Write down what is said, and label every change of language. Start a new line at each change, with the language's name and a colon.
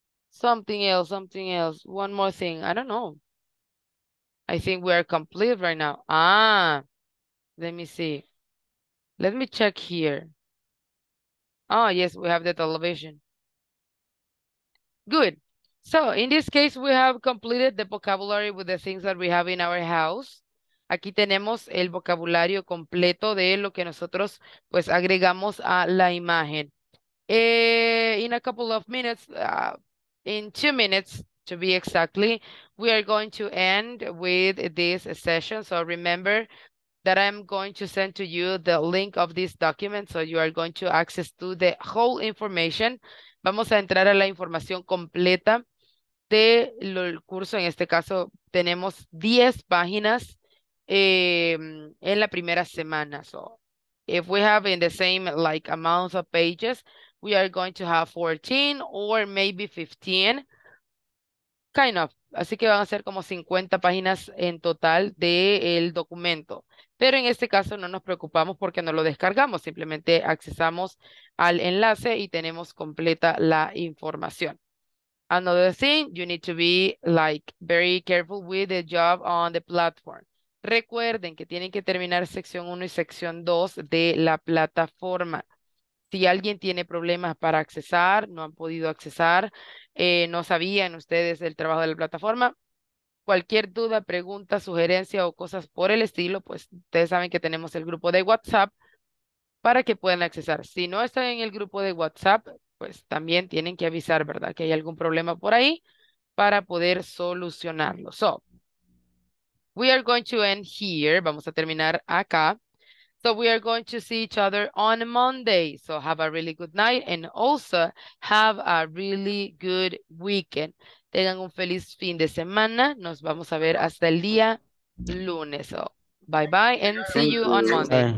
English: something else. One more thing. I don't know. I think we are complete right now. Let me see. Let me check here. Oh, yes, we have the television. Good. So, in this case, we have completed the vocabulary with the things that we have in our house.
Spanish: Aquí tenemos el vocabulario completo de lo que nosotros, pues, agregamos a la imagen.
English: In a couple of minutes, in 2 minutes, to be exactly, we are going to end with this session. So remember that I'm going to send to you the link of this document, so you are going to access to the whole information.
Spanish: Vamos a entrar a la información completa del curso. En este caso, tenemos 10 páginas. En la primera semana.
English: So if we have in the same like amount of pages, we are going to have 14 or maybe 15, kind of.
Spanish: Así que van a ser como 50 páginas en total del documento. Pero en este caso no nos preocupamos porque no lo descargamos, simplemente accesamos al enlace y tenemos completa la información.
English: Another thing, you need to be like very careful with the job on the platform.
Spanish: Recuerden que tienen que terminar sección 1 y sección 2 de la plataforma. Si alguien tiene problemas para accesar, no han podido accesar, no sabían ustedes el trabajo de la plataforma, cualquier duda, pregunta, sugerencia o cosas por el estilo, pues ustedes saben que tenemos el grupo de WhatsApp para que puedan accesar. Si no están en el grupo de WhatsApp, pues también tienen que avisar, ¿verdad? Que hay algún problema por ahí para poder solucionarlo.
English: So, we are going to end here.
Spanish: Vamos a terminar acá.
English: So, we are going to see each other on Monday. So, have a really good night and also have a really good weekend.
Spanish: Tengan un feliz fin de semana. Nos vamos a ver hasta el día lunes.
English: So, bye bye and see you on Monday.